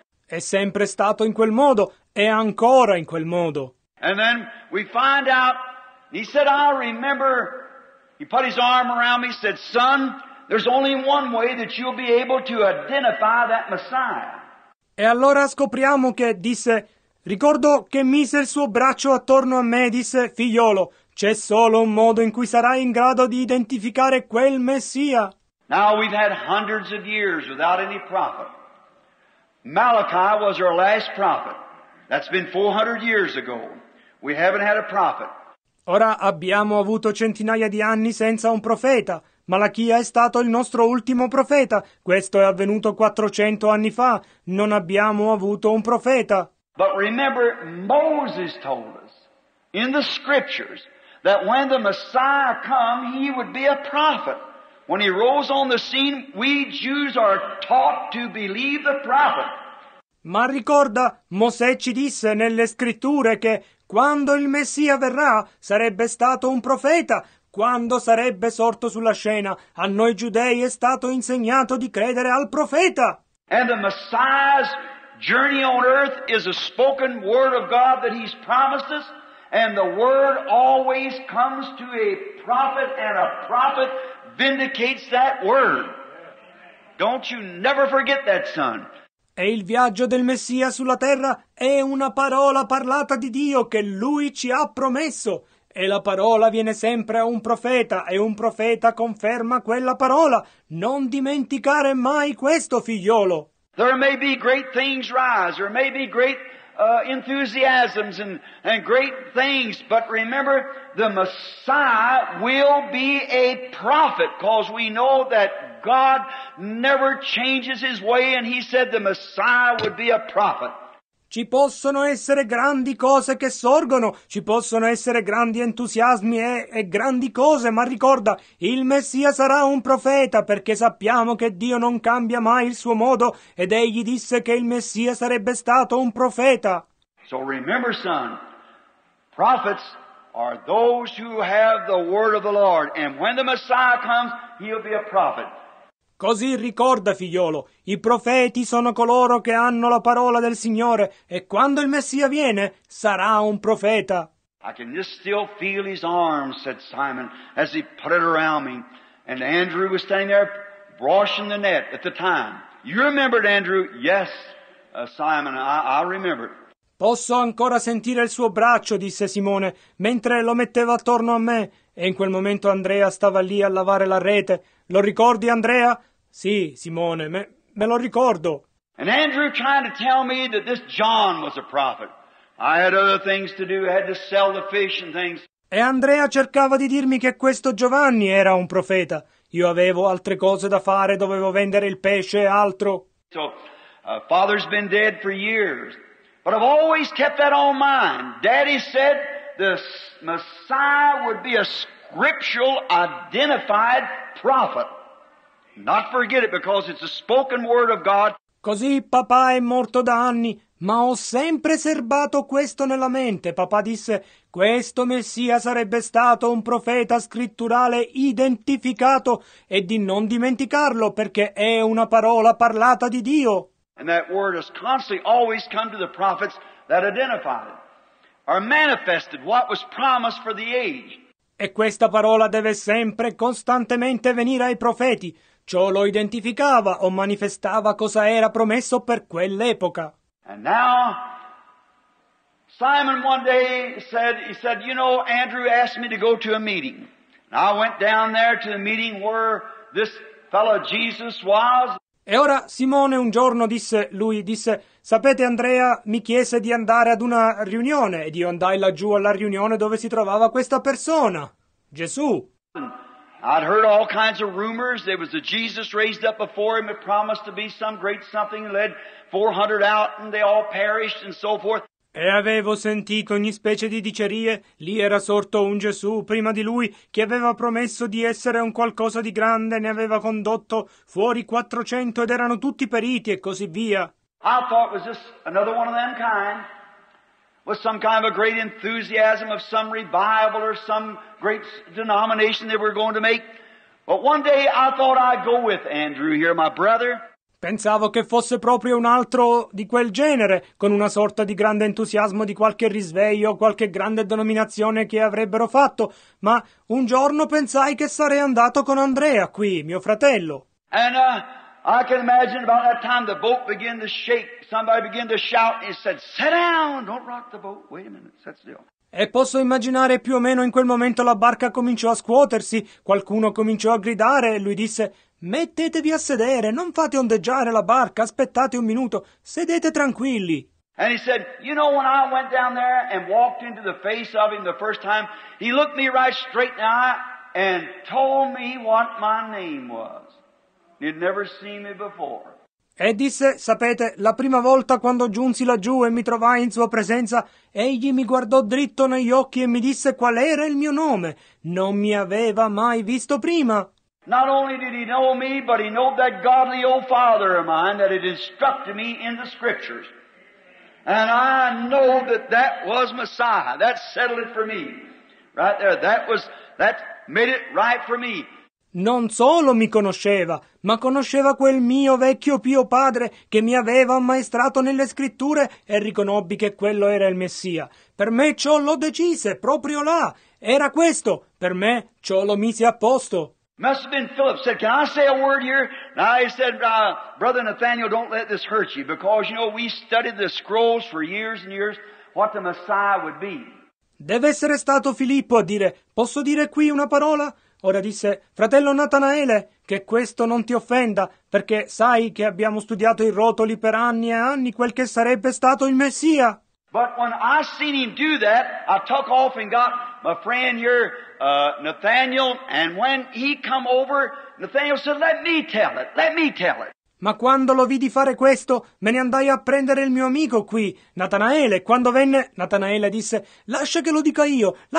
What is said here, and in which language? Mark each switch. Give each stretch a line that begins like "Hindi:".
Italian: È sempre stato in quel modo, è ancora in quel modo.
English: And then we find out, he said, "I remember," he put his arm around me, said, "Son, there's only one way that you'll be able to identify that Messiah."
Italian: E allora scopriamo che, disse, ricordo che mise il suo braccio attorno a me e disse, "Figliolo, c'è solo un modo in cui sarai in grado di identificare quel Messia."
English: Now we've had hundreds of years without any prophet. Malachi was our last prophet. That's been 400 years ago. We haven't had a prophet.
Italian: Ora abbiamo avuto centinaia di anni senza un profeta. Malachia è stato il nostro ultimo profeta. Questo è avvenuto 400 anni fa. Non abbiamo avuto un profeta.
English: But remember, Moses told us in the scriptures that when the Messiah come, he would be a prophet. When he rose on the scene, we Jews are taught to believe the prophet.
Italian: Ma ricorda, Mosè ci disse nelle scritture che quando il Messia verrà, sarebbe stato un profeta. Quando sarebbe sorto sulla scena, a noi giudei è stato insegnato di credere al profeta.
English: And the Messiah's journey on earth is a spoken word of God that he's promised us. And the word always comes to a prophet, and a prophet vindicates that word. Don't you never forget that, son.
Italian: E il viaggio del Messia sulla terra è una parola parlata di Dio che Lui ci ha promesso. E la parola viene sempre a un profeta, e un profeta conferma quella parola. Non dimenticare mai questo, figliolo.
English: There may be great things rise, there may be great enthusiasms and great things, but remember, the Messiah will be a prophet, because we know that God never changes his way, and he said the Messiah would be a prophet.
Italian: Ci possono essere grandi cose che sorgono, ci possono essere grandi entusiasmi e grandi cose, ma ricorda, il Messia sarà un profeta, perché sappiamo che Dio non cambia mai il suo modo, ed egli disse che il Messia sarebbe stato un profeta.
English: So remember, son, prophets are those who have the word of the Lord, and when the Messiah comes, he'll be a prophet.
Italian: Così ricorda, figliolo, i profeti sono coloro che hanno la parola del Signore, e quando il Messia viene, sarà un profeta.
English: I can just still feel his arms, said Simon, as he put it around me. And Andrew was standing there washing the net at the time. You remembered, Andrew? Yes, Simon, I remember.
Italian: Posso ancora sentire il suo braccio, disse Simone, mentre lo metteva attorno a me. E in quel momento Andrea stava lì a lavare la rete. Lo ricordi, Andrea? Sì, Simone, me lo ricordo.
English: And Andrew trying to tell me that this John was a prophet. I had other things to do, I had to sell the fish and things.
Italian: E Andrea cercava di dirmi che questo Giovanni era un profeta. Io avevo altre cose da fare, dovevo vendere il pesce e altro.
English: So, father's been dead for years. But I've always kept that on mind. Daddy said the Messiah would be a scriptural identified prophet. Not forget it, because it's a spoken word of God.
Italian: Così papà è morto da anni, ma ho sempre serbato questo nella mente. Papà disse, questo Messia sarebbe stato un profeta scritturale identificato, e di non dimenticarlo, perché è una parola parlata di Dio.
English: And that word has constantly always come to the prophets that identified it, or manifested what was promised for the age.
Italian: E questa parola deve sempre costantemente venire ai profeti. Ciò lo identificava o manifestava cosa era promesso per quell'epoca.
English: And now, Simon one day said, you know, Andrew asked me to go to a meeting. And I went down there to the meeting where this fellow Jesus was.
Italian: E ora Simone un giorno disse, sapete, Andrea mi chiese di andare ad una riunione, ed io andai laggiù alla riunione dove si trovava questa persona, Gesù.
English: I'd heard all kinds of rumors. There was a Jesus raised up before him, had promised to be some great something, led 400 out and they all perished and so forth.
Italian: E avevo sentito ogni specie di dicerie. Lì era sorto un Gesù prima di lui che aveva promesso di essere un qualcosa di grande, ne aveva condotto fuori 400 ed erano tutti periti e così via.
English: I thought it was just another one of them kind, with some kind of a great enthusiasm of some revival or some great denomination they were going to make. But one day I thought I'd go with Andrew here, my brother.
Italian: Pensavo che fosse proprio un altro di quel genere, con una sorta di grande entusiasmo di qualche risveglio o qualche grande denominazione che avrebbero fatto, ma un giorno pensai che sarei andato con Andrea qui, mio fratello.
English: And I can imagine about that time the boat began to shake, somebody began to shout, and he said, sit down, don't rock the boat, wait a minute, sit still.
Italian: E posso immaginare più o meno in quel momento la barca cominciò a scuotersi, qualcuno cominciò a gridare e lui disse, mettetevi a sedere, non fate ondeggiare la barca, aspettate un minuto, sedete tranquilli.
English: And he said, you know, when I went down there and walked into the face of him the first time, he looked me right straight in the eye and told me what my name was. He'd never seen me before.
Italian: E disse, sapete, la prima volta quando giunsi laggiù e mi trovai in sua presenza, egli mi guardò dritto negli occhi e mi disse qual era il mio nome. Non mi aveva mai visto prima.
English: Not only did he know me, but he knew that godly old father of mine that had instructed me in the scriptures. And I know that that was Messiah. That settled it for me. Right there. That made it right for me.
Italian: Non solo mi conosceva, ma conosceva quel mio vecchio pio padre che mi aveva ammaestrato nelle scritture e riconobbi che quello era il Messia. Per me ciò lo decise, proprio là. Era questo. Per me ciò lo mise a posto.
English: Must have been Philip said, can I say a word here? Now he said, Brother Nathaniel, don't let this hurt you, because you know we studied the scrolls for years and years, what the Messiah would be.
Italian: Deve essere stato Filippo a dire, posso dire qui una parola? Ora disse, fratello Natanaele, che questo non ti offenda, perché sai che abbiamo studiato i rotoli per anni e anni quel che sarebbe stato il Messia.
English: But when I seen him do that, I took off and got my friend here, Nathaniel, and when he come over, Nathaniel said, let me tell it.
Italian: Ma quando lo vidi fare questo, me ne andai a prendere il mio amico qui, Natanaele. Quando venne, Natanaele disse, lascia che lo dica io.